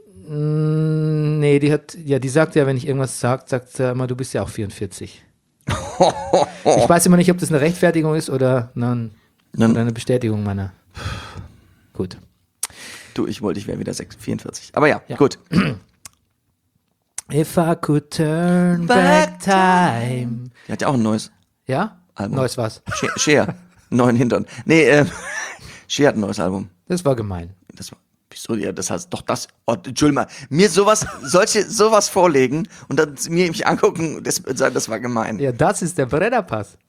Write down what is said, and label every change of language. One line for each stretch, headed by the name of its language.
German: Nee, die hat, ja, die sagt ja, wenn ich irgendwas sage, sagt sie immer, du bist ja auch 44. Ich weiß immer nicht, ob das eine Rechtfertigung ist oder eine Bestätigung meiner. Gut. Du, ich wollte, ich wäre wieder 46. Aber ja, gut.
English: If I could turn back time.
German: Die hat ja auch ein neues. Ja? Album. Neues was? Cher. Neuen Hintern. Nee, Cher hat ein neues Album. Das war gemein. Das war. Wieso? Ja, das heißt doch das. Oh, Entschuldigung, mir sowas vorlegen und dann mir mich angucken, das war gemein. Ja, das ist der Brennerpass.